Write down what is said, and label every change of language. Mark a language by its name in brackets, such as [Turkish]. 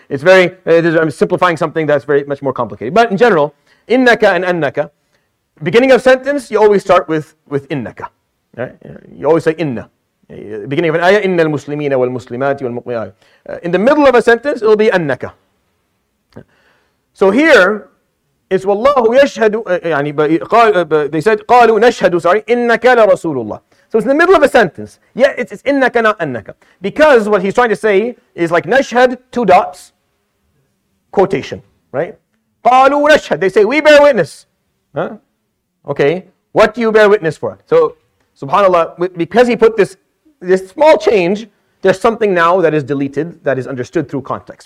[English] I'm simplifying something that's very much more complicated. But in general, innaka and annaka, beginning of sentence, you always start with innaka. Right? You always say inna. Beginning of an ayah, [Arabic] إِنَّ الْمُسْلِمِينَ وَالْمُسْلِمَاتِ وَالْمُقْمِئَاتِ. [English] In the middle of a sentence, it'll be أَنَّكَ. So here, it's [Arabic] وَاللَّهُ يَشْهَدُ [English] they said, [Arabic] قَالُوا نَشْهَدُ إِنَّكَ لَرَسُولُ اللَّهِ. [English] So it's in the middle of a sentence. Yet it's إِنَّكَ not أَنَّكَ. Because what he's trying to say is like نَشْهَد, two dots, quotation, right? [Arabic] قَالُوا نَشْهَد. [English] They say, we bear witness. Huh? Okay, what do you bear witness for? So, subhanAllah, because he put this small change, there's something now that is deleted, that is understood through context.